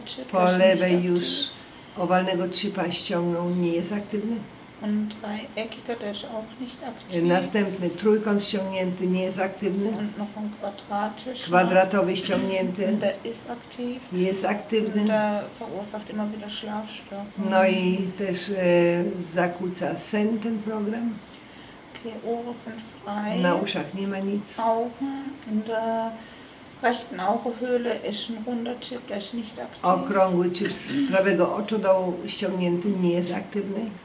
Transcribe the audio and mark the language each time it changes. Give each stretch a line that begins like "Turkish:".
Polish: Po lewej już owalnego chipa ściągnął, nie jest aktywny.
German: Und dreieckiger, der ist auch nicht aktiv.
Polish: Następny trójkąt ściągnięty, nie jest aktywny.
German: Und noch ein quadratisch.
Polish: Kwadratowy ściągnięty.
German: Der ist aktiv.
Polish: Jest aktywny.
German: Und der verursacht immer wieder Schlafstörungen.
Polish: No i też zakłóca sen ten program.
German: Okay, Ohren sind frei.
Polish: Na uszach nie ma nic.
German: Augen in der rechten Augenhöhle ist ein runder Chip, der ist nicht aktiv.
Polish: Okrągły chip z prawego oczodołu ściągnięty, nie jest aktywny.